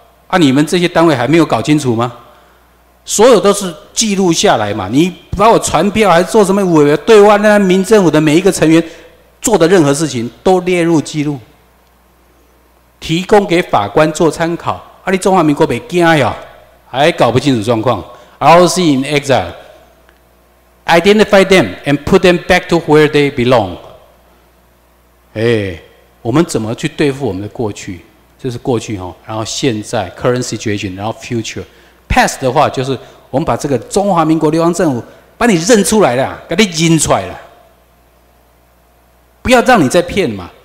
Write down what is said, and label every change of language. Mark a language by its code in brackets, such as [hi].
[zh] 啊，你们这些单位还没有搞清楚吗？所有都是记录下来嘛，你把我传票还做什么委员？对外那民政府的每一个成员做的任何事情都列入记录，提供给法官做参考。啊，你中华民国没惊呀？还搞不清楚状况 [en] ，ROC in exile， identify them and put them back to where they belong。 [zh] 哎，我们怎么去对付我们的过去？这是过去哦，然后现在 [en] current situation， [zh] 然后 future。 Past 的话就是我们把这个中华民国流亡政府把你认出来了，把你认出来了，不要让你再骗嘛。